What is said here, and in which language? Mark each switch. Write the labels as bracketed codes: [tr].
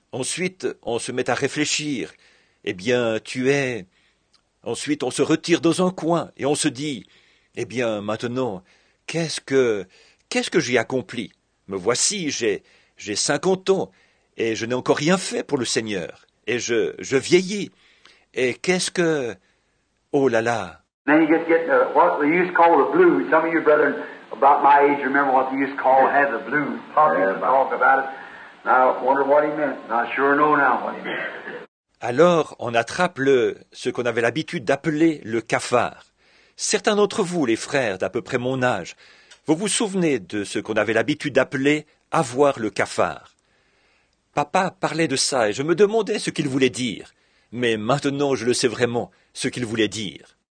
[fr] Ensuite, on se met à réfléchir. Eh bien, tu es... Ensuite, on se retire dans un coin et on se dit, eh bien, maintenant, qu'est-ce que j'ai accompli? Me voici, j'ai 50 ans. Et je n'ai encore rien fait pour le Seigneur. Et je vieillis. Et qu'est-ce que... Oh là là! [en] Then you get the, what we used to call the blues. Some of you brethren about my age remember what they used to call have the blues. Paul used to talk about it. Now, I wonder what he meant. Now, I sure know now what he meant. [fr] Alors, on attrape ce qu'on avait l'habitude d'appeler le cafard. Certains d'entre vous, les frères d'à peu près mon âge, vous vous souvenez de ce qu'on avait l'habitude d'appeler avoir le cafard. Papa parlait de ça et je me demandais ce qu'il voulait dire. Mais maintenant, je le sais vraiment, ce qu'il voulait dire.